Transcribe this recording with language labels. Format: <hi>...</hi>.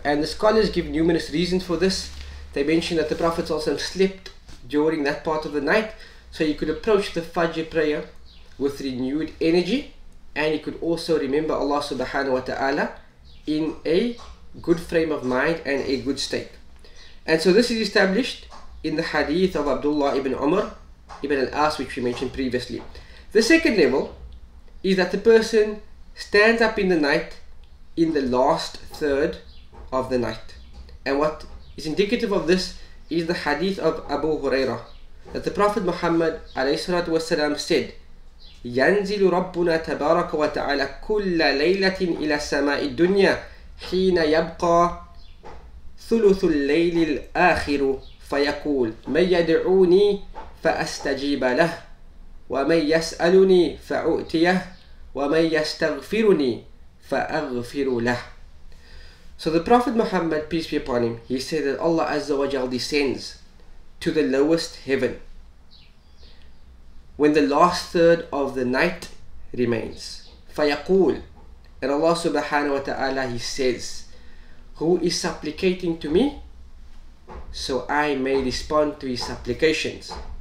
<en>And the scholars give numerous reasons for this. They mention that the Prophet sallallahu alaihi wasallam slept during that part of the night, so he could approach the Fajr prayer with renewed energy, and he could also remember Allah subhanahu wa ta'ala in a good frame of mind and a good state. And so this is established in the hadith of Abdullah ibn Umar ibn al-As, which we mentioned previously. The second level is that the person stands up in the night in the last third of the night. And what is indicative of this is the hadith of Abu Hurairah, that the Prophet Muhammad alayhi salatu wasalam said,</en> <ar>ينزل ربنا تبارك وتعالى كل ليلة إلى السماء الدنيا حين يبقى ثلث الليل الآخر فيقول من يدعوني فأستجيب له ومن يسألني فأؤتيه ومن يستغفرني فأغفر له.</ar> <en>So the Prophet Muhammad, peace be upon him, he said that Allah Azza wa Jal descends to the lowest heaven when the last third of the night remains. Fayaqul, and Allah subhanahu wa ta'ala, he says, who is supplicating to me so I may respond to his supplications?</en>